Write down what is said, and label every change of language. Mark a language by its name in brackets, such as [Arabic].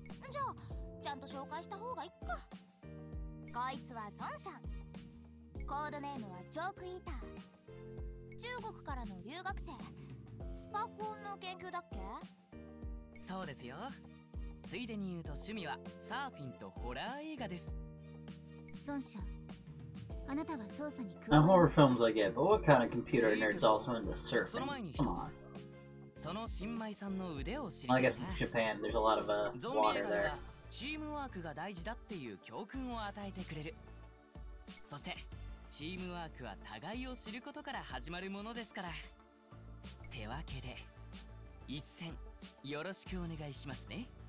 [Japanese] じゃあ、ちゃんと紹介した方がいいか。こいつはソンシャン、コードネームはチョークイーター。中国からの留学生、スパコンの研究だっけ？そうですよ。ついでに言うと趣味はサーフィンとホラー映画です。ソンシャン、あなたは捜査に加わる。 [English] Horror films I get, but what kind of computer nerd is also into surfing? [Japanese] その前に一つ、その新米さんの腕を知りたい。 [English] I guess it's Japan, there's a lot of water there. [Japanese] チームワークが大事だっていう教訓を与えてくれる。そしてチームワークは互いを知ることから始まるものですから。てわけで一戦よろしくお願いしますね。